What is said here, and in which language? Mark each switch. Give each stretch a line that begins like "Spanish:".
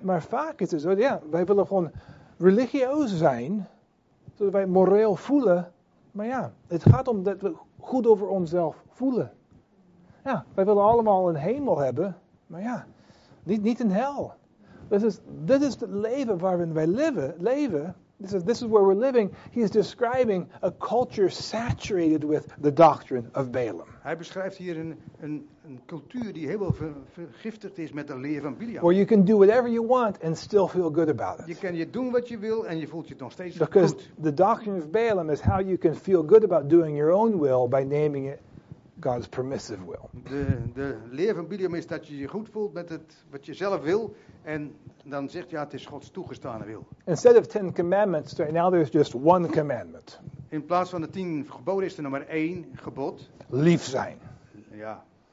Dutch: Maar vaak is het zo, ja, wij willen gewoon religieus zijn, zodat wij moreel voelen. Maar ja, het gaat om dat we goed over onszelf voelen. Ja, wij willen allemaal een hemel hebben, maar ja, niet een hel. Dit is het leven waarin wij leven.
English: This is where we're living. He is describing a culture saturated with the doctrine of Balaam.
Dutch: Hij beschrijft hier een cultuur die helemaal vergiftigd is met de leer van Bileam.
English: Where you can do whatever you want and still feel good about it.
Dutch: Je kan je doen wat je wil en je voelt je nog steeds goed.
English: Because the doctrine of Balaam is how you can feel good about doing your own will by naming it God's permissive will.
Dutch: De leer van Biliam is dat je je goed voelt met het wat je zelf wil en dan zegt ja, het is Gods toegestane wil.
English: Instead of 10 commandments, now there's just one commandment.
Dutch: In plaats van de 10 geboden is er maar 1 gebod. Lief zijn. Ja.